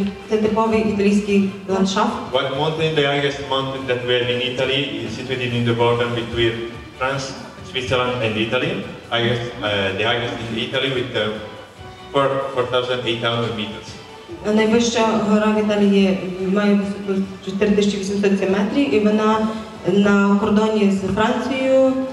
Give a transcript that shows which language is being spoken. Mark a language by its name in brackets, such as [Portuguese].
[Ukrainian] Це типовий італійський ландшафт. [English] White mountain, the highest mountain that we have in Italy, is situated in the border between France, Switzerland and Italy, highest, the highest in Italy with 4,800 meters. [Ukrainian] Найвища гора в Італії має висоту 4800 метрів і вона на кордоні з Францією,